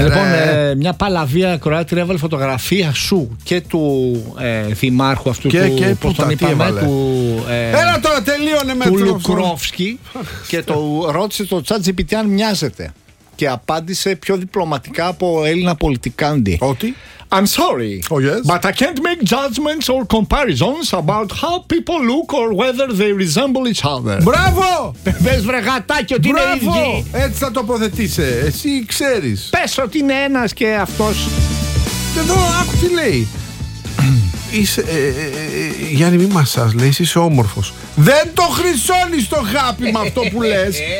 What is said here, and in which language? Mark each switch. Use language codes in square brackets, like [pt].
[el] Λοιπόν, μια παλαβία ακροάτρια έβαλε φωτογραφία σου και του δημάρχου αυτού και του. Πώς τον είπαμε, του. Έλα τώρα, τελείωνε με του Λουκρόφσκι. Και το ρώτησε το ChatGPT αν μοιάζεται. Και απάντησε πιο διπλωματικά από Έλληνα πολιτικάντη. Ότι. [en] I'm sorry. Oh, yes? But I can't make judgments or comparisons about how people look or whether they resemble each other. [el] Μπράβο! Πες βρε γατάκι ότι είναι ίδιοι. Έτσι θα τοποθετήσαι. Εσύ ξέρεις. Πες ότι είναι ένας και αυτός. Εδώ, άκου τι λέει. Είσαι, Γιάννη, μη μασάς, λέει, είσαι όμορφος. Δεν το χρυσώνεις το χάπι με αυτό που λες.